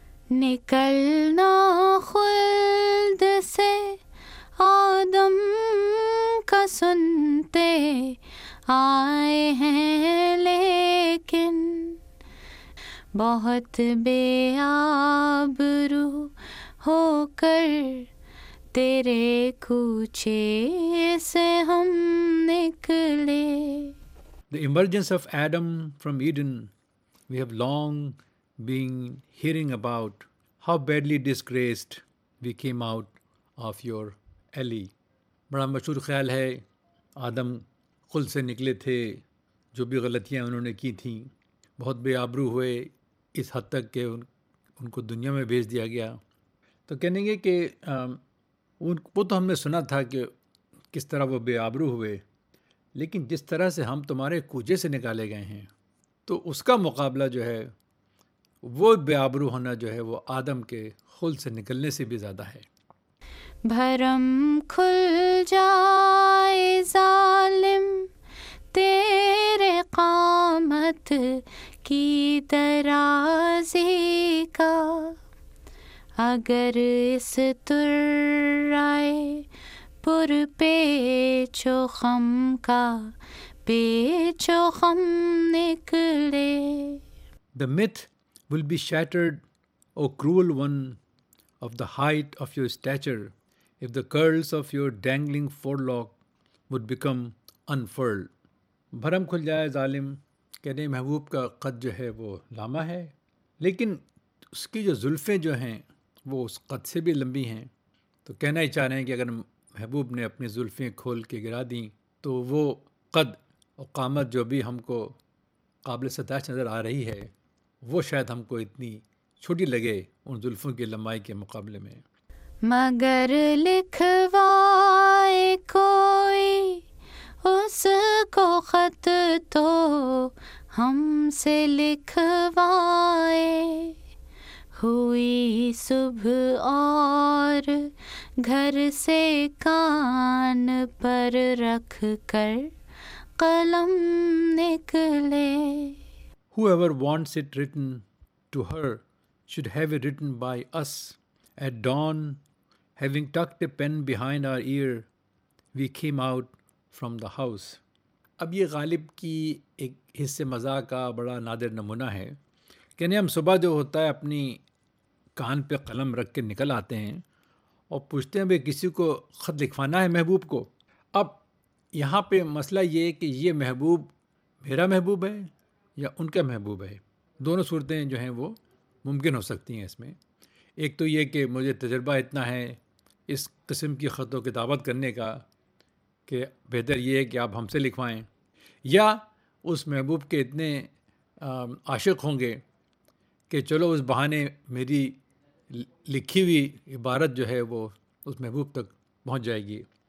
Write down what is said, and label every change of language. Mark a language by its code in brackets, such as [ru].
[ur] نکلنا خلد سے آدم کا سنتے آئے ہیں لیکن بہت بے آبرو ہو کر تیرے کوچے سے ہم نکلے. [en] The emergence of Adam from Eden we have long been hearing about, how badly disgraced we came out of your alley. [ur] بڑا مشہور خیال ہے, آدم خل سے نکلے تھے, جو بھی غلطیاں انہوں نے کی تھیں, بہت بے آبرو ہوئے اس حد تک کہ ان کو دنیا میں بھیج دیا گیا. تو کہنے گے کہ وہ تو ہم نے سنا تھا کہ کس طرح وہ بے آبرو ہوئے, لیکن جس طرح سے ہم تمہارے کوجے سے نکالے گئے ہیں, تو اس کا مقابلہ جو ہے وہ بے آبرو ہونا جو ہے وہ آدم کے خل سے نکلنے سے بھی زیادہ ہے. بھرم کھل جائے ظالم تیرے قامت کی درازی کا, اگر اس ترائے پر پیچ و خم کا پیچ و خم نکلے. [en] The myth will be shattered, O cruel one, of the height of your stature, if the curls of your dangling forelock would become unfurled. [ur] بھرم کھل جائے ظالم, کہنے محبوب کا قد جو ہے وہ لاما ہے لیکن اس کی جو زلفیں جو ہیں وہ اس قد سے بھی لمبی ہیں, تو کہنا ہی چاہ رہے ہیں کہ اگر محبوب نے اپنی زلفیں کھول کے گرا دیں تو وہ قد اور قامت جو بھی ہم کو قابل ستائش نظر آ رہی ہے وہ شاید ہم کو اتنی چھوٹی لگے ان زلفوں کی لمبائی کے مقابلے میں. مگر لکھوائے کوئی اس کو خط تو ہم سے لکھوائے, ہوئی صبح اور گھر سے کان پر رکھ کر قلم نکلے. [en] Whoever wants it written to her should have it written by us. At dawn, having tucked a pen behind our ear, we came out from the house. [ur] اب یہ غالب کی ایک حصے مزاح کا بڑا نادر نمونہ ہے, کہ ہم صبح جو ہوتا ہے اپنی کان پہ قلم رکھ کے نکل آتے ہیں اور پوچھتے ہیں بھائی کسی کو خط لکھوانا ہے محبوب کو. اب یہاں پہ مسئلہ یہ کہ یہ محبوب میرا محبوب ہے یا ان کا محبوب ہے, دونوں صورتیں جو ہیں وہ ممکن ہو سکتی ہیں. اس میں ایک تو یہ کہ مجھے تجربہ اتنا ہے اس قسم کی خطوں کی دعوت کرنے کا کہ بہتر یہ ہے کہ آپ ہم سے لکھوائیں, یا اس محبوب کے اتنے عاشق ہوں گے کہ چلو اس بہانے میری لکھی ہوئی عبارت جو ہے وہ اس محبوب تک پہنچ جائے گی.